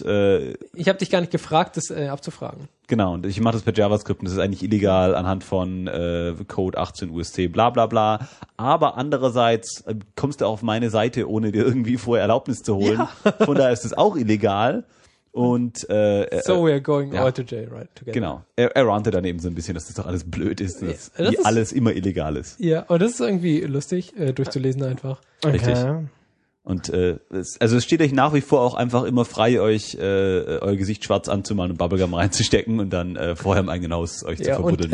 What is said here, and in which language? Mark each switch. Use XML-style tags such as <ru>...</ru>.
<de>ich habe dich gar nicht gefragt, das abzufragen. Genau, und ich mache das per JavaScript und das ist eigentlich illegal anhand von Code 18 UST, bla bla bla. Aber andererseits kommst du auf meine Seite, ohne dir irgendwie vorher Erlaubnis zu holen. Ja. Von daher ist es auch illegal. Und</de> <en>we are going all to jail, right, together.</en> <de>Genau. Er rantet dann eben so ein bisschen, dass das doch alles blöd ist, dass alles immer illegal ist. Ja, und das ist irgendwie lustig, durchzulesen einfach. Okay. Richtig. Und es steht euch nach wie vor auch einfach immer frei, euch euer Gesicht schwarz anzumalen und Bubblegum reinzustecken und dann vorher im eigenen Haus euch zu verbuddeln.</de>